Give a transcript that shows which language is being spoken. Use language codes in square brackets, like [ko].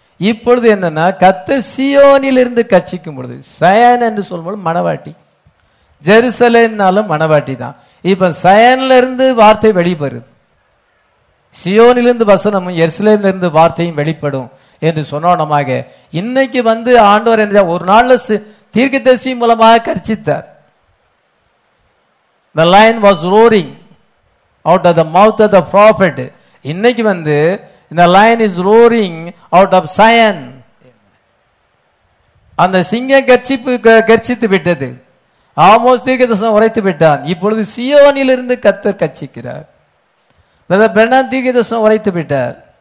[ta] இப்பொழுது என்னன்னா கர்த்தர் சியோனிலிருந்து கர்ச்சிக்கும் பொழுது, சயன் என்று சொல்லும்போது மணவாட்டி, ஜெருசலேம்னாலும் மணவாட்டி தான். இப்ப சயன்ல இருந்து வார்த்தை வெளிப்படுது, சியோனிலிருந்து வசனமும் எருசலேமிலிருந்து வார்த்தையும் வெளிப்படும் என்று சொன்னோமாக. இன்னைக்கு வந்து ஆண்டவர் என்ன, ஒரு நாள்ல தீர்க்கதரிசி மூலமாக கர்ச்சித்தார். [en] The lion was roaring out of the mouth of the prophet. [ta] இன்னைக்கு வந்து [en] the lion is roaring out of Zion. [ta] அந்த சிங்கம் கர்ச்சித்து விட்டது, ஆமோஸ் தீர்க்கதரிசனம் உரைத்து விட்டான். இப்பொழுது சியோனிலிருந்து கர்த்தர் கர்ச்சிக்கிறார். பிரணாம் தீர்க்கதரிசனம் உரைத்து விட்டார்.